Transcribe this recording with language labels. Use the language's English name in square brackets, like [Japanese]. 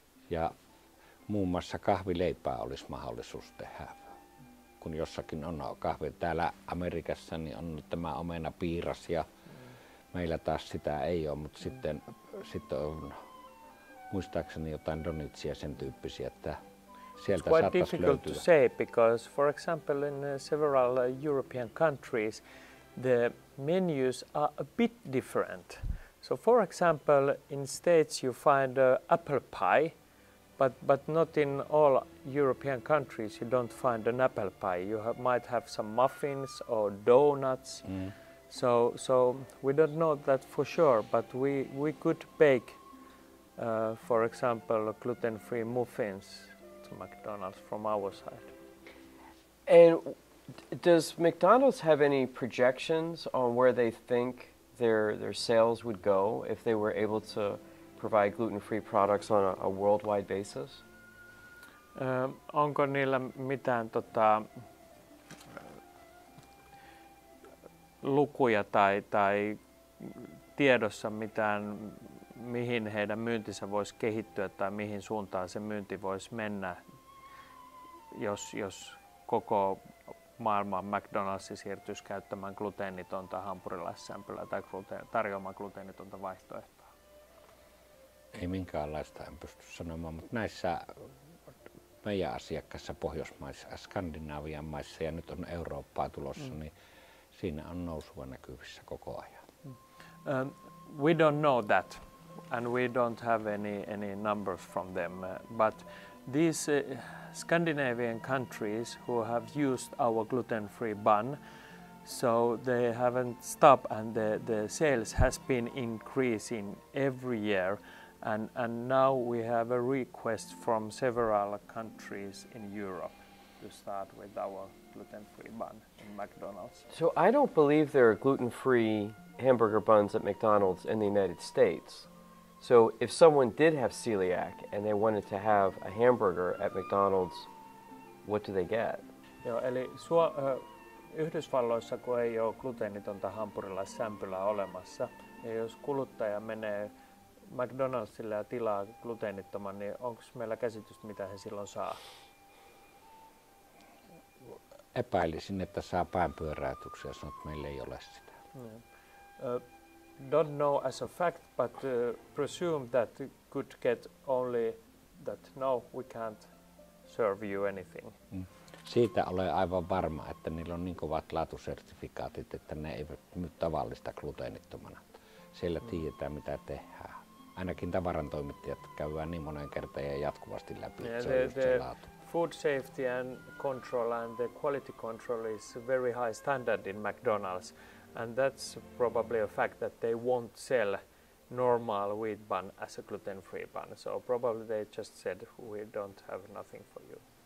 [Finnish] Ja muun muassa kahvileipää olisi mahdollisuus tehdä, kun jossakin on kahvi. Täällä Amerikassa niin on tämä omenapiiras ja meillä taas sitä ei ole, mutta sitten on muistaakseni jotain donitsia sen tyyppisiä, että sieltä saattaisi löytyä. [English] It's quite difficult to say because, for example, in several European countries, the menus are a bit different. So, for example, in States you find apple pie, but not in all European countries you don't find an apple pie. You might have some muffins or donuts. Mm. So we don't know that for sure, but we could bake, for example, gluten-free muffins to McDonald's from our side. And does McDonald's have any projections on where they think their sales would go if they were able to provide gluten-free products on a worldwide basis? [Finnish] Onko niillä mitään lukuja tai tiedossa mitään, mihin heidän myyntinsä voisi kehittyä tai mihin suuntaan se myynti voisi mennä, jos koko maailman McDonald's siirtyisi käyttämään gluteenitonta hampurilaissämpylää tai tarjoamaan gluteenitonta vaihtoehtoa? Ei minkäänlaista, en pysty sanomaan, mutta näissä meidän asiakkaissa Pohjoismaissa, Skandinavian maissa ja nyt on Eurooppaa tulossa, niin siinä on nousua näkyvissä koko ajan. [English] We don't know that and we don't have any numbers from them, but these Scandinavian countries who have used our gluten-free bun, so they haven't stopped and the sales has been increasing every year, and now we have a request from several countries in Europe to start with our gluten-free bun in McDonald's. So I don't believe there are gluten-free hamburger buns at McDonald's in the United States. So if someone did have celiac and they wanted to have a hamburger at McDonald's, what do they get? [Finnish] Joo, eli Yhdysvalloissa, kun ei ole gluteenitonta hampurilaissämpylää olemassa, ja jos kuluttaja menee McDonald'sille ja tilaa gluteenittoman, niin onko meillä käsitystä, mitä he silloin saa? Epäilisin, että saa päinpyöräytyksiä, ja sanot, meillä ei ole sitä. [English] Don't know as a fact, but presume that could get only that no, we can't serve you anything. [Finnish] Siitä olen aivan varma, että niillä on niin kovat laatusertifikaatit, että ne eivät myy tavallista gluteenittomana. Siellä tiedetään, mitä tehdään. Ainakin tavarantoimittajat käyvät niin monen kertaan ja jatkuvasti läpi, että se on just se laatu. [English] Food safety and control and the quality control is very high standard in McDonald's. And that's probably a fact that they won't sell normal wheat bun as a gluten-free bun. So probably they just said, we don't have nothing for you.